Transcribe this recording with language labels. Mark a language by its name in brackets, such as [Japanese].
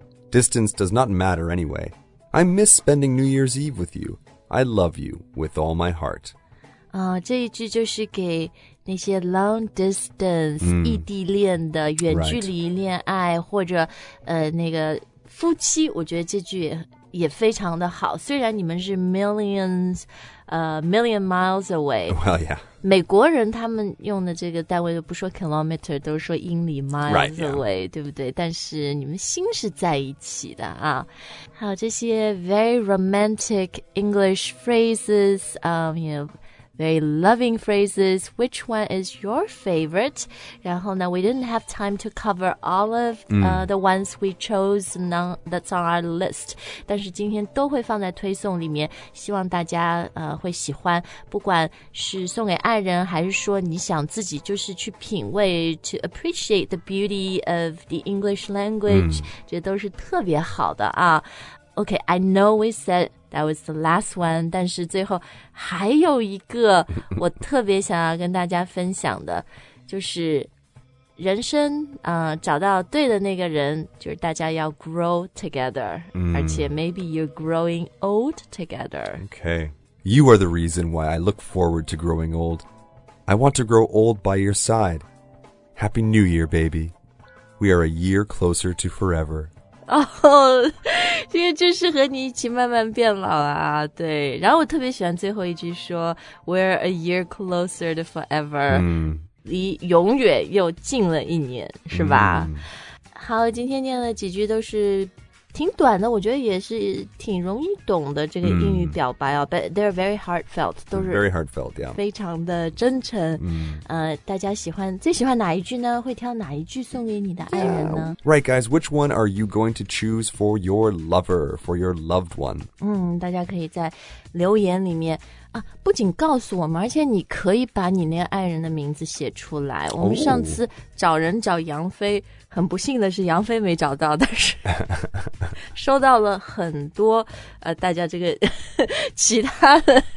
[English] Distance does not matter anyway. I miss spending New Year's Eve with you. I love you with all my heart. [Chinese] 这一句就是给那些 [English] long distance、 [Chinese] mm. 异地恋的远距离恋爱、 [English] right. [Chinese] 或者那个夫妻我觉得这句 也非常的好虽然你们是 [English] millions、million miles away well yeah [Chinese] 美国人他们用的这个单位都不说 kilometer 都说英里 [English] miles away right,、yeah. [Chinese] 对不对但是你们心是在一起的啊好这些 [English] very romantic English phrases you knowVery loving phrases. Which one is your favorite? [Chinese] 然后呢 [English] we didn't have time to cover all of、the ones we chose that's on our list. [Chinese] 但是今天都会放在推送里面希望大家、会喜欢不管是送给爱人还是说你想自己就是去品味 [English] to appreciate the beauty of the English language.、 Mm. [Chinese] 这都是特别好的啊。 [English] Okay, I know we said that was the last one, [Chinese] 但是最后还有一个我特别想要跟大家分享的就是人生、找到对的那个人就是大家要 [English] grow together,、 mm. [Chinese] 而且 [English] maybe you're growing old together. Okay, you are the reason why I look forward to growing old. I want to grow old by your side. Happy New Year, baby. We are a year closer to forever. [Chinese] 哦，这个就是和你一起慢慢变老啊，对。然后我特别喜欢最后一句说 [English] "We're a year closer to forever"，、 [Chinese] 离永远又近了一年，是吧？好，今天念了几句都是挺短的，我觉得也是挺容易懂的这个英语表白啊。 [English] But they're very heartfelt， [Chinese] 都是 [English] very heartfelt， yeah， [Chinese] 非常的真诚。大家喜欢最喜欢哪一句呢？会挑哪一句送给你的爱人呢、 [English] yeah. ？Right, guys, which one are you going to choose for your lover, for your loved one？ [Chinese] 大家可以在留言里面。啊、不仅告诉我们而且你可以把你那个爱人的名字写出来我们上次找人找杨飞、oh. 很不幸的是杨飞没找到但是收到了很多、大家这个其他的、